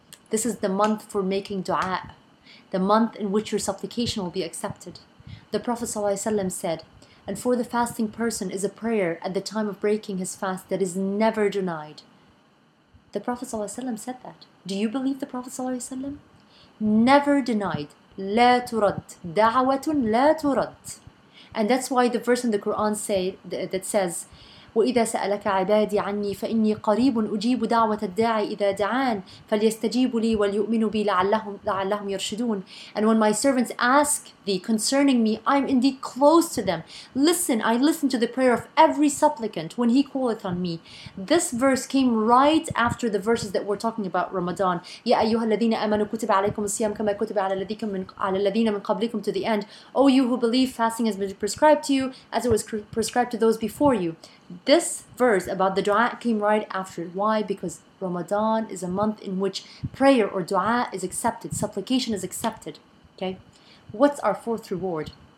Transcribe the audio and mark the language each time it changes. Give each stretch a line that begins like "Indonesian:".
English: This is the month for making dua, the month in which your supplication will be accepted. The Prophet ﷺ said, and for the fasting person is a prayer at the time of breaking his fast that is never denied. The Prophet ﷺ said that. Do you believe the Prophet ﷺ? Never denied.
Arabic: لا ترد. دعوة لا ترد. And that's why the verse in the Quran says, وَإِذَا سَأَلَكَ عِبَادِي عَنِّي فَإِنِّي قَرِيبٌ أُجِيبُ دَعْوَةَ الدَّاعِ إِذَا دَعَانِ فَلْيَسْتَجِيبُ لِي وَلْيُؤْمِنُ بِي لَعَلَّهُمْ يَرْشُدُونَ.
English: And when my servants ask thee concerning me, I am indeed close to them. Listen, I listen to the prayer of every supplicant when he calleth on me. This verse came right after the verses that we're talking about Ramadan.
Arabic: يَا أَيُّهَا الَّذِينَ آمَنُوا كُتِبَ عَلَيْكُمُ الصِّيَامُ كَمَا كُتِبَ عَلَى الَّذِينَ مِن قَبْلِكُمْ
English: to the end. O you who believe, fasting has been prescribed to you as it was prescribed to those before you. This verse about the dua came right after. Why? Because Ramadan is a month in which prayer or dua is accepted. Supplication is accepted. Okay. What's our fourth reward?